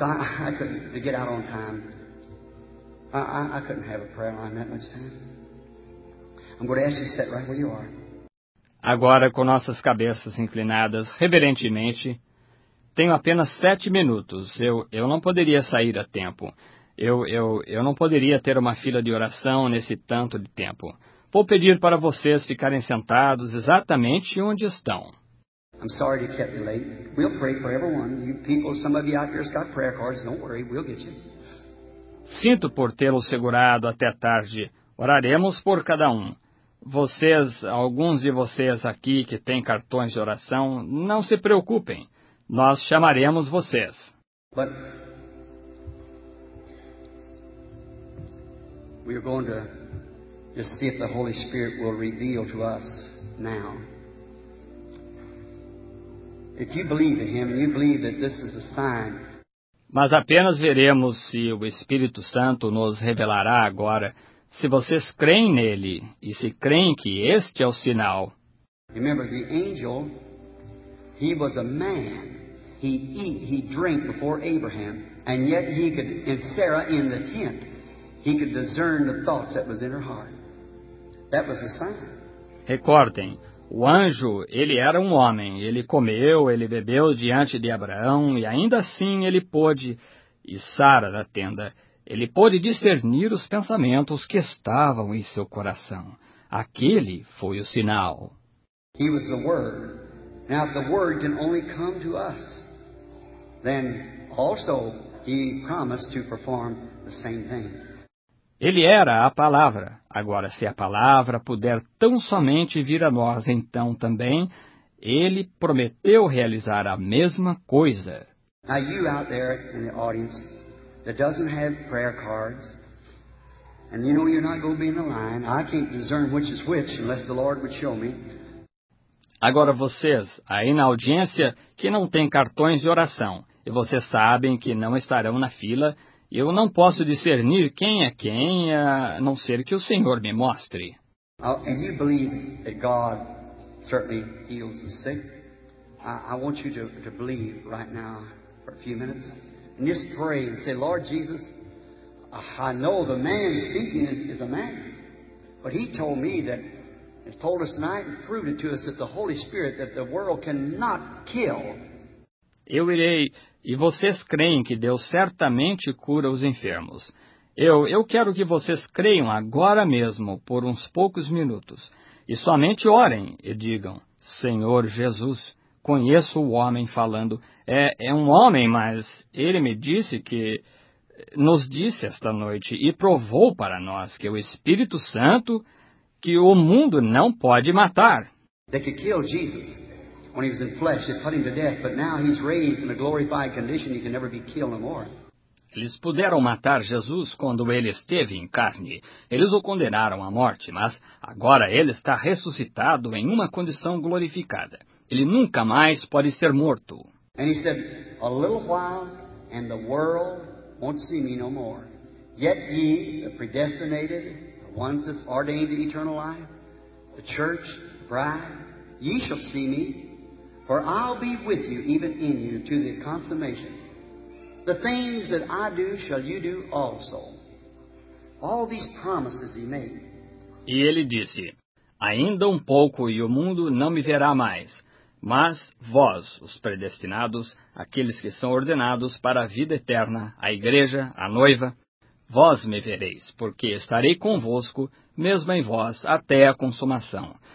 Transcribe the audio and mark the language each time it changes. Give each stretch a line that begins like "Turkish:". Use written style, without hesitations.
English: I couldn't get out on time. I couldn't have a prayer line that much time. I'm going to ask you to sit right where you are.
Portuguese: Agora, com nossas cabeças inclinadas reverentemente, tenho apenas 7 minutos. Eu não poderia sair a tempo. Eu não poderia ter uma fila de oração nesse tanto de tempo. Vou pedir para vocês ficarem sentados exatamente onde estão.
English: I'm sorry to keep you late. We'll pray for everyone. You people, some of you out here's got prayer cards. Don't worry, we'll get you.
Portuguese: Sinto por tê-lo segurado até tarde. Oraremos por cada um. Vocês, alguns de vocês aqui que têm cartões de oração, não se preocupem. Nós chamaremos vocês.
English: But we are going to just see if the Holy Spirit will reveal to us now. If you believe in Him, you believe that this is a sign.
Portuguese: Mas apenas veremos se o Espírito Santo nos revelará agora. Se vocês creem nele e se creem que este é o sinal.
English: Remember the angel, he was a man. He eat, he drank before Abraham, and yet he could, in Sarah in the tent, he could discern the thoughts that was in her heart. That was a sign.
Portuguese: Recordem, o anjo, ele era um homem. Ele comeu, ele bebeu diante de Abraão, e ainda assim ele pôde, e Sara na tenda, ele pôde discernir os pensamentos que estavam em seu coração. Aquele foi o sinal.
English: He was the Word. Now, if the Word can only come to us, then also He promised to perform the same thing.
Portuguese: Ele era a Palavra. Agora, se a Palavra puder tão somente vir a nós, então também, Ele prometeu realizar a mesma coisa.
English: Now, you out there in the audience that doesn't have prayer cards, and you know you're not going to be in the line. I can't discern which is which unless the Lord would show me.
Portuguese: Agora vocês, aí na audiência, que não tem cartões de oração, e vocês sabem que não estarão na fila, eu não posso discernir quem é quem, a não ser que o Senhor me mostre.
English: And you believe that God certainly heals the sick? I want you to believe right now for a few minutes. And just pray and say, Lord Jesus, I know the man speaking is a man. But he told me that, has told us tonight and proved it to us that the Holy Spirit, that the world cannot kill.
Portuguese: Eu irei, e vocês creem que Deus certamente cura os enfermos. Eu quero que vocês creiam agora mesmo, por uns poucos minutos. E somente orem e digam, Senhor Jesus, conheço o homem falando. É um homem, mas ele me disse que nos disse esta noite e provou para nós que o Espírito Santo que o mundo não pode matar.
English: They could kill Jesus when he was in flesh, they put him to death, but now he's raised in a glorified condition, he can never be killed anymore.
Portuguese: Eles puderam matar Jesus quando ele esteve em carne. Eles o condenaram à morte, mas agora ele está ressuscitado em uma condição glorificada. Ele nunca mais pode ser morto.
English: And he said, a little while and the world won't see me no more. Yet ye, the predestinated, the ones that's ordained to eternal life, the church, the bride, ye shall see me. For I'll be with you, even in you, to the consummation. The things that I do, shall you do also. All these promises he made.
Portuguese: E ele disse, ainda pouco e o mundo não me verá mais, mas vós, os predestinados, aqueles que são ordenados para a vida eterna, a igreja, a noiva, vós me vereis, porque estarei convosco, mesmo em vós, até a consumação.